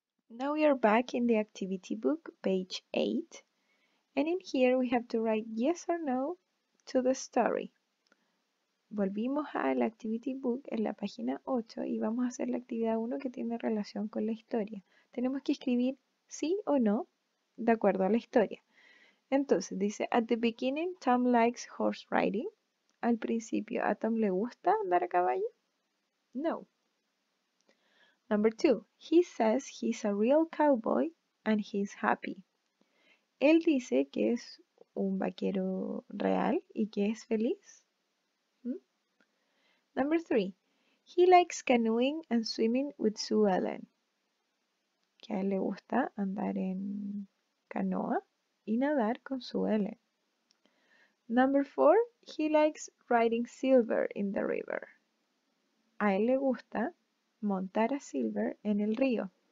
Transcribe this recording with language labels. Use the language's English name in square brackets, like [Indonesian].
[English] Now we are back in the activity book, page 8, and in here we have to write yes or no to the story. [Spanish] Volvimos al activity book en la página 8 y vamos a hacer la actividad 1 que tiene relación con la historia. Tenemos que escribir sí o no de acuerdo a la historia. Entonces dice, [English] at the beginning Tom likes horse riding. [Spanish] Al principio, ¿a Tom le gusta andar a caballo? [English] No. Number 2. He says he's a real cowboy and he's happy. [Spanish] Él dice que es un vaquero real y que es feliz. [English] Number 3. He likes canoeing and swimming with Sue Ellen. [Spanish] Que a él le gusta andar en canoa y nadar con Sue Ellen. [English] Number 4. He likes riding Silver in the river. [Spanish] A él le gusta montar a Silver en el río.